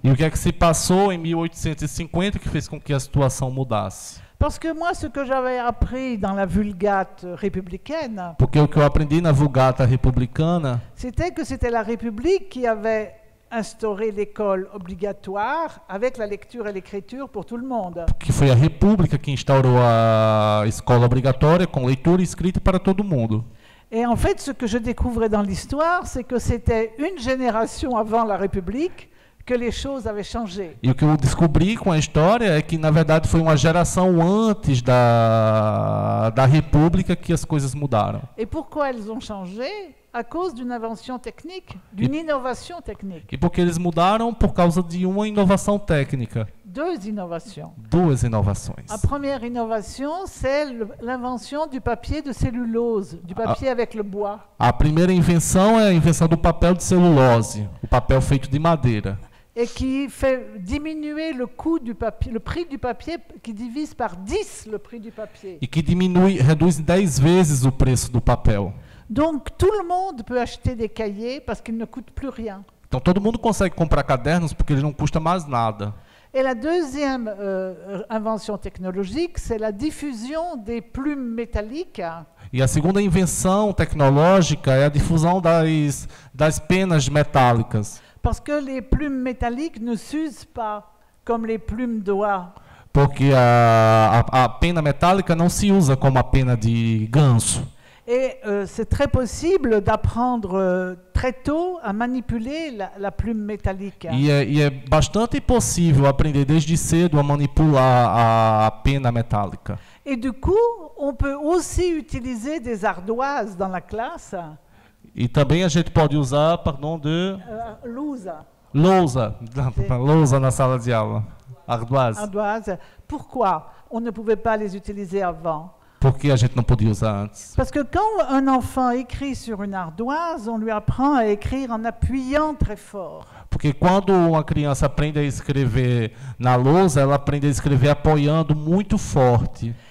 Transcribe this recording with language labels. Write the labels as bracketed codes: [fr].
[pt] E o que é que se passou em 1850 que fez com que a situação mudasse? [fr] Parce que moi, ce que j'avais appris dans la Vulgate républicaine. [pt] Porque o que eu aprendi na Vulgata Republicana. [fr] C'était que c'était la République qui avait instauré l'école obligatoire avec la lecture et l'écriture pour tout le monde. [pt] Que foi a República que instaurou a escola obrigatória com leitura e escrita para todo mundo. [fr] Et en fait, ce que je découvrais dans l'histoire, c'est que c'était une génération avant la République. Que les choses avaient changé. [pt] E o que eu descobri com a história é que, na verdade, foi uma geração antes da República que as coisas mudaram. E por que eles mudaram? [fr] À cause d'une invention technique, d'une innovation technique. [pt] E por que eles mudaram? Por causa de uma inovação técnica. [fr] Deux innovations. [pt] Duas inovações. [fr] A première innovation, c'est l'invention du papier de cellulose, du papier avec le bois. [pt] A primeira invenção é a invenção do papel de celulose, o papel feito de madeira. [fr] Et qui fait diminuer le coût du papier, le prix du papier, qui divise par 10 le prix du papier. [pt] E que diminui, reduz 10 vezes o preço do papel. [fr] Donc tout le monde peut acheter des cahiers parce qu'ils ne coûtent plus rien. [pt] Então todo mundo consegue comprar cadernos porque eles não custam mais nada. [fr] Et la deuxième invention technologique, c'est la diffusion des plumes métalliques. [pt] E a segunda invenção tecnológica é a difusão das penas metálicas. [fr] Parce que les plumes métalliques ne s'usent pas comme les plumes d'oie. [pt] Porque a pena metálica não se usa como a pena de ganso. [fr] Et c'est très possible d'apprendre très tôt à manipuler la plume métallique. [pt] E é bastante possível aprender desde cedo a manipular a pena metálica. [fr] Et du coup, on peut aussi utiliser des ardoises dans la classe. [pt] E também a gente pode usar, pardon, de... Lousa. Lousa. Lousa na sala de aula. Ardoise. [fr] Ardoise. Pourquoi on ne pouvait pas les utiliser avant? [pt] Porque a gente não podia usar antes. [fr] Parce que quand un enfant écrit sur une ardoise, on lui apprend à écrire en appuyant très fort. [pt] Porque quando uma criança aprende a escrever na lousa, ela aprende a escrever apoiando muito forte.